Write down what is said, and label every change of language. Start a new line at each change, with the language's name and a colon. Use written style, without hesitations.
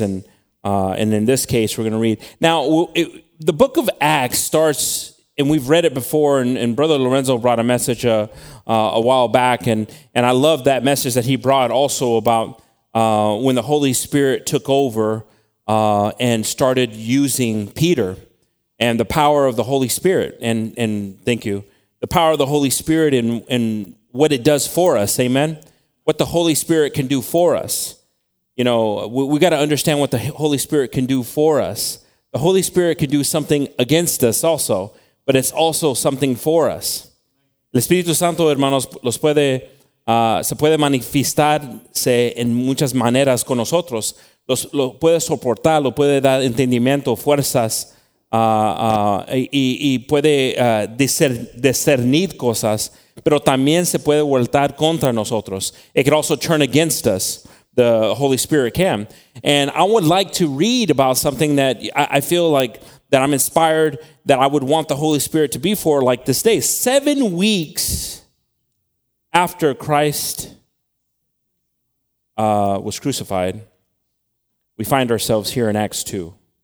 English: And in this case, we're going to read. Now, the book of Acts starts, and we've read it before, and Brother Lorenzo brought a message a while back, and I love that message that he brought also about when the Holy Spirit took over and started using Peter and the power of the Holy Spirit, and thank you, the power of the Holy Spirit and what it does for us, amen? What the Holy Spirit can do for us. You know, we got to understand what the Holy Spirit can do for us. The Holy Spirit can do something against us also, but it's also something for us.
Spanish: El Espíritu Santo, hermanos, los puede... se puede manifestarse en muchas maneras con nosotros. Lo puede soportar, lo puede dar entendimiento, fuerzas, y puede discernir cosas, pero también se puede voltar contra nosotros.
English: It could also turn against us, the Holy Spirit can. And I would like to read about something that I feel like that I'm inspired, that I would want the Holy Spirit to be for, like this day. 7 weeks... after Christ was crucified, we find ourselves here in Acts 2.